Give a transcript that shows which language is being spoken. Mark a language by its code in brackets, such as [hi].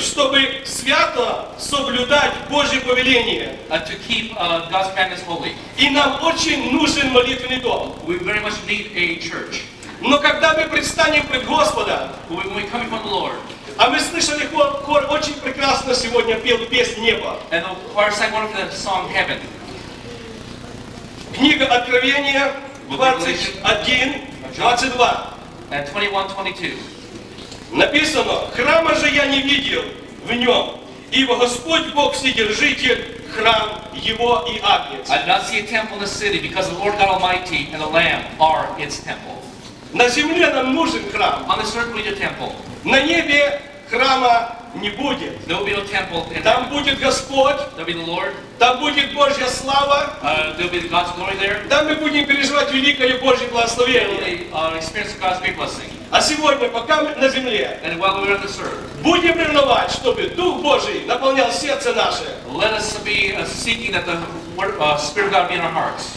[ru] чтобы свято соблюдать Божье повеление. [en] To keep God's commandments holy. [ru] И нам очень нужен молитвенный дом. [en] We very much need a church. [ru] Но когда мы предстанем пред Господа, [en] we come from the Lord, [ru] а мы слышали хор очень прекрасно сегодня пел песнь неба. [en] And the choir sang one of the song heaven. [ru] Книга Откровения 21:22. [en] And 21:22. [ru] Написано, храма же я не видел в нем, ибо Господь Бог Вседержитель, храм Его и Агнец. [en] I did not see a temple in the city, because the Lord God Almighty and the Lamb are its temple. [ru] На земле нам нужен храм. [en] On this earth we need a temple. [ru] На небе храма не будет. [en] There will be no temple in [ru] там будет Господь. [en] There will be the Lord. [ru] Там будет Божья слава. [en] There will be God's glory there. [ru] Там мы будем переживать великое Божье благословение. [en] There will be, experience God's great blessing. [ru] А сегодня, пока мы на земле, [en] and while we're on this earth, [ru] будем ревновать, чтобы Дух Божий наполнял сердце наше. [en] Let us be seeking that the word, Spirit of God be in our hearts.